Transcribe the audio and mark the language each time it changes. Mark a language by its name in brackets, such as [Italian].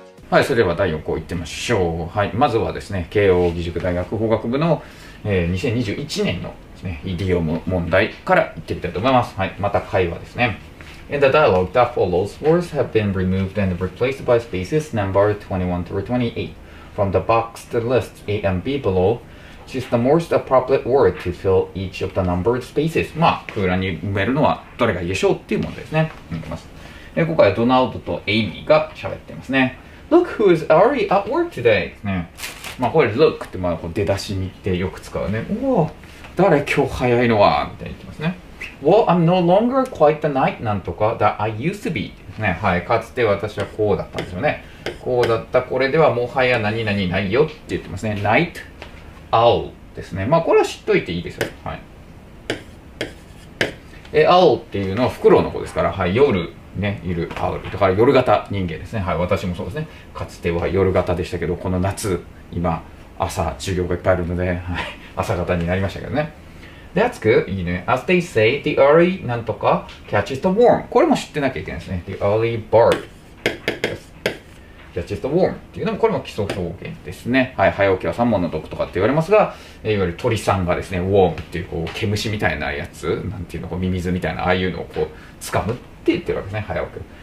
[Japanese] はい、それでは第4項行ってみましょう。はい、まずはですね、慶応義塾大学法学部の、2021年のですね、イディオム問題から行ってみたいと思います。はい、また会話ですね。 [English] In the dialogue that follows, words have been removed and replaced by spaces number 21 through 28 from the boxed list A and B below. Choose the most appropriate word to fill each of the numbered spaces. [Japanese] まあ、空欄に埋めるのはどれがいいでしょうっていう問題ですね。行きます。今回はドナルドとエイミーが喋っていますね。 [English] Look who is already at work today. [Japanese] ね、まあこれ look ってまあこう出だしにってよく使うね。おお、誰今日早いのはみたいに言ってますね。 [English] Well, I'm no longer quite the knight なんとか that I used to be ですね。 [Japanese] はい、かつて私はこうだったんですよね。こうだった、これではもはや何々ないよって言ってますね。 [English] Knight owl [Japanese] ですね。まあこれは知っといていいですよ。はい。え、owl っていうのはフクロウの子ですから、はい、夜。ね、いるアウル。だから夜型人間ですね。はい、私もそうですね。かつては夜型でしたけど、この夏、今、朝、授業がいっぱいあるので、はい、朝型になりましたけどね。 [English] That's good. [Japanese] いいね。 [English] As they say, the early なんとか catches the worm. [Japanese] これも知ってなきゃいけないですね。 [English] The early bird、yes. catches the worm. [Japanese] っていうのも、これも基礎表現ですね。はい、早起きは三文の毒とかって言われますが、いわゆる鳥さんがですね、worm っていう、こう、毛虫みたいなやつ、なんていうの、こうミミズみたいな、ああいうのをこう、掴む。って言ってるわけですね、早く。